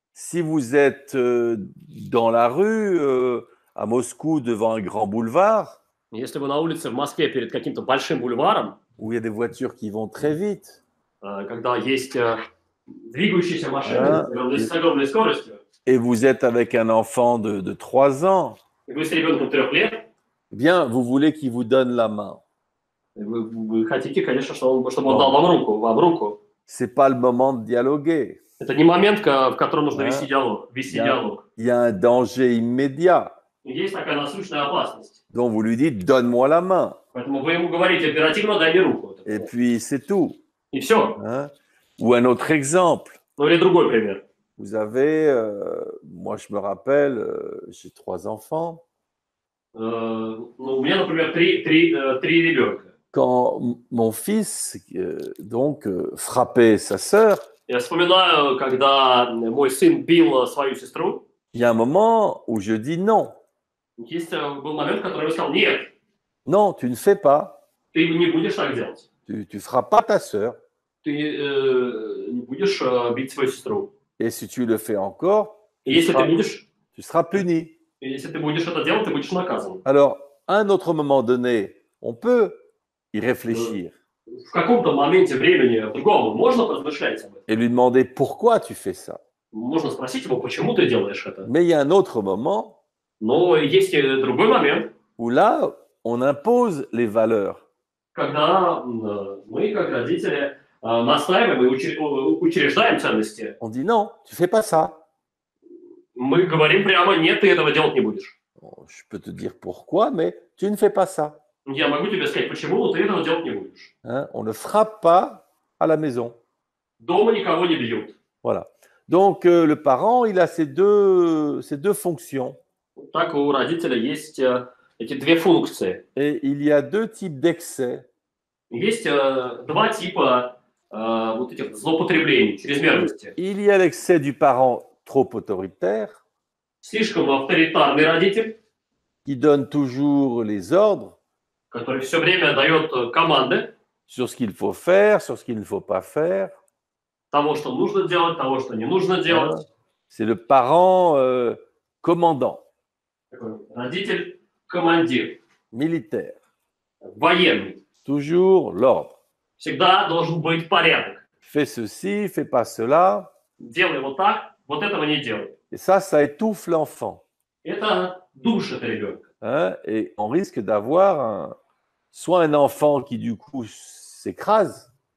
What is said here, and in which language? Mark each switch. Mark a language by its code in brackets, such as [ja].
[fr] Si vous êtes dans la rue, à Moscou, devant un grand boulevard, [ru] если вы на улице в Москве перед каким-то большим бульваром, [fr] où il y a des voitures qui vont très vite, [ru] когда есть двигающиеся машины с огромной скоростью, [fr] et vous êtes avec un enfant de 3 ans, et vous êtes avec un enfant de 3 ans, bien, vous voulez qu'il vous donne la main. [ru] Вы хотите, конечно, чтобы он дал вам руку, [fr] C'est pas le moment de dialoguer. [ru] Это не момент, в котором нужно вести диалог. Вести диалог. [fr] Il y a un danger immédiat. [ru] Есть такая насущная опасность. [fr] Donc vous lui dites, donne-moi la main. [ru] Поэтому вы ему говорите, оперативно дай мне руку. [fr] Et puis c'est tout. [ru] И все. [fr] Hein? Ou un autre exemple. Ou les [ru] другой пример. [fr] Vous avez, moi je me rappelle, j'ai 3 enfants. [ru] У меня, например, три ребенка. [fr] Quand mon fils donc frappait sa sœur, [ru] я вспоминаю, когда мой сын бил свою сестру. [fr] Il y a un moment où je dis non. [ru] Есть был момент, который я сказал нет. [fr] Non, tu ne fais pas. [ru] Ты не будешь так делать. [fr] Tu frappes pas ta sœur. [ru] Ты не будешь бить свою сестру. [fr] Et si tu le fais encore, tu seras puni. Et si tu [ru] будешь это делать, ты будешь наказан. [fr] Alors, à un autre moment donné, on peut y réfléchir. [ru] В каком-то моменте времени другому можно размышлять об этом. [fr] Et lui demander pourquoi tu fais ça. [ru] Можно спросить его, почему ты делаешь это. [fr] Mais il y a un autre moment. [ru] Но есть другой момент. [fr] Où là, on impose les valeurs. [ru] Когда мы как родители настаиваем и учреждаем ценности. [fr] On dit non, tu fais pas ça. [ru] Мы говорим прямо нет, ты этого делать не будешь. [fr] Je peux te dire pourquoi, mais tu ne fais pas ça. [ru] Я могу тебе сказать, почему, но ты этого делать не будешь. [fr] Hein? On ne frappe pas à la maison. [ru] Дома никого не бьют. [fr] Voilà. Donc, le parent, il a ces deux fonctions. [ru] Так у родителя есть эти две функции. [fr] Et il y a deux types d'excès. [ru] Есть два типа вот этих злоупотреблений, чрезмерности. [fr] Il y a l'excès du parent trop autoritaire. [ru] Слишком авторитарный родитель. [fr] Qui donne toujours les ordres. [ru] Который все время дает команды. [fr] Sur ce qu'il faut faire, sur ce qu'il ne faut pas faire. [ru] Того, что нужно делать, того, что не нужно делать. [fr] C'est le parent commandant. [ru] Такой родитель командир. [fr] Militaire. [ru] Военный. [fr] Toujours l'ordre. [ru] Всегда должен быть порядок. [fr] Fais ceci, fais pas cela. [ru] Делай вот так, вот этого не делай. [fr] Et ça étouffe l'enfant. [ru] Это душит ребенка. [fr] Hein, et on risque d'avoir soit un enfant qui du coup s'écrase.